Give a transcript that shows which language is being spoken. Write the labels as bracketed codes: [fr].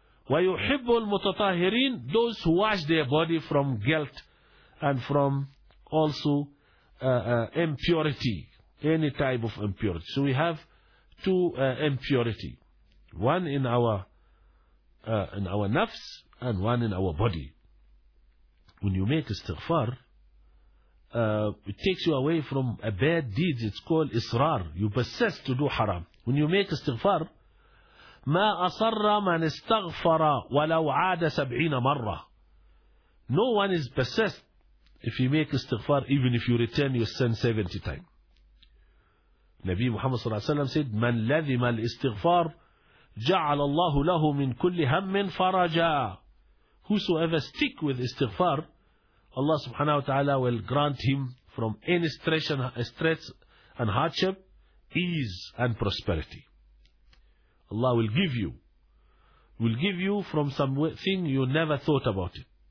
[ar] وَيُحِبُّ الْمُتَطَاهِرِينَ, [en] those who wash their body from guilt and from also impurity, any type of impurity. So we have two impurity. One in our nafs and one in our body. When you make istighfar, it takes you away from a bad deed. It's called israr. You persist to do haram. When you make istighfar, [ar] ما أصر من استغفر ولو عاد 70 مرة. [en] No one is persist if you make استغفار even if you return your sin 70 times. [ar] نبي محمد صلى الله عليه وسلم said من لذم الاستغفار جعل الله له من كل هم فرجا. [en] Whosoever stick with استغفار, Allah [ar] سبحانه وتعالى [en] will grant him from any stress and hardship ease and prosperity. Allah will give you from something you never thought about it.